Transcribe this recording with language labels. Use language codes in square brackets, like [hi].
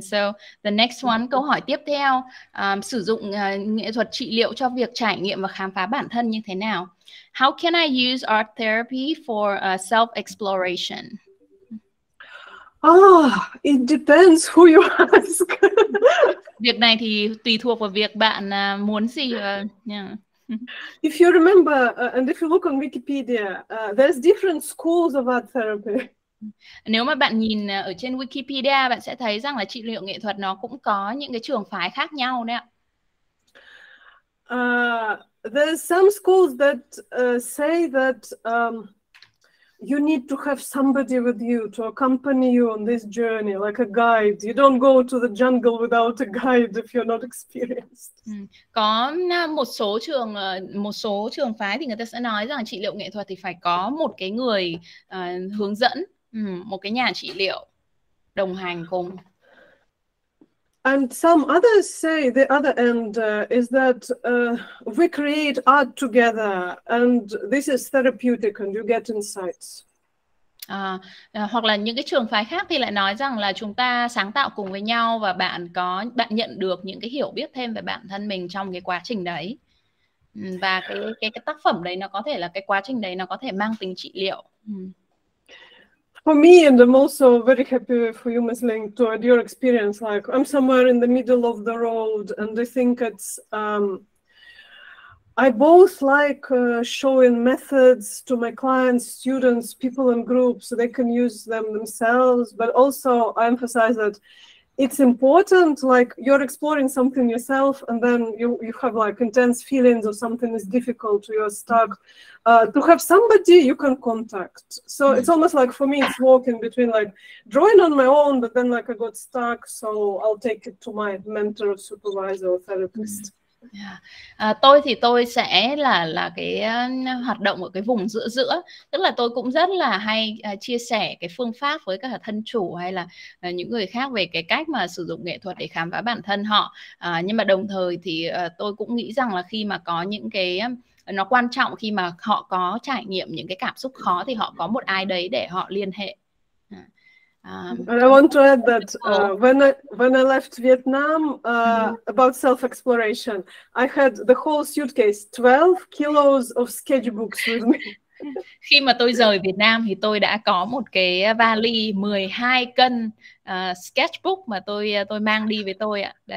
[en] So the next one, [vi] câu hỏi tiếp theo, sử dụng nghệ thuật trị liệu cho việc trải nghiệm và khám phá bản thân như thế nào? [en] How can I use art therapy for self-exploration? Oh, it depends who you ask. [vi] Việc này thì tùy thuộc vào việc bạn muốn gì. [en] If you remember, and if you look on Wikipedia, there's different schools of art therapy. [vi] Nếu mà bạn nhìn ở trên Wikipedia, bạn sẽ thấy rằng là trị liệu nghệ thuật nó cũng có những cái trường phái khác nhau đấy ạ. [en] There's some schools that say that you need to have somebody with you to accompany you on this journey, like a guide. You don't go to the jungle without a guide if you're not experienced. [vi] Có một số trường phái thì người ta sẽ nói rằng trị liệu nghệ thuật thì phải có một cái người hướng dẫn, một cái nhà trị liệu đồng hành cùng. [en] And some others say the other end is that we create art together and this is therapeutic and you get insights. [vi] Hoặc là những cái trường phái khác thì lại nói rằng là chúng ta sáng tạo cùng với nhau và bạn nhận được những cái hiểu biết thêm về bản thân mình trong cái quá trình đấy. Và cái tác phẩm đấy nó có thể là cái quá trình đấy nó có thể mang tính trị liệu. [en] For me, and I'm also very happy for you, Ms. Ling, to add your experience. Like, I'm somewhere in the middle of the road, and I think it's, I both like showing methods to my clients, students, people in groups, so they can use them themselves, but also I emphasize that it's important, like you're exploring something yourself, and then you have like intense feelings or something is difficult, you're stuck, to have somebody you can contact. So it's almost like for me, it's walking between like drawing on my own, but then like I got stuck, so I'll take it to my mentor, supervisor, or therapist. Yeah. [vi] Tôi thì tôi sẽ là cái hoạt động ở cái vùng giữa giữa, tức là tôi cũng rất là hay chia sẻ cái phương pháp với các thân chủ hay là những người khác về cái cách mà sử dụng nghệ thuật để khám phá bản thân họ, nhưng mà đồng thời thì tôi cũng nghĩ rằng là khi mà có những cái nó quan trọng khi mà họ có trải nghiệm những cái cảm xúc khó thì họ có một ai đấy để họ liên hệ. [en] I want to add that when I left Vietnam, about self-exploration, I had the whole suitcase, 12 kilos of sketchbooks with me. [vi] Khi mà tôi rời Việt Nam thì tôi đã có một cái vali 12 cân sketchbook mà tôi mang đi với tôi ạ.